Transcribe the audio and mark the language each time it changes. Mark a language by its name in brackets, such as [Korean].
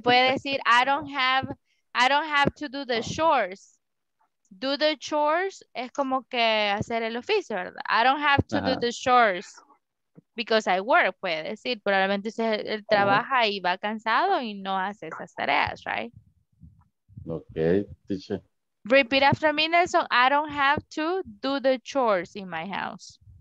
[Spanish] Puede decir, [English] I don't have to do the chores. Do the chores [Spanish] es como que hacer el oficio, ¿verdad? [English] I don't have to do the chores because I work, [Spanish] puede decir. Probablemente él trabaja y va cansado y no hace esas tareas, right? [English] Okay, teacher. Repeat after me, Nelson. I don't have to do the chores in my house.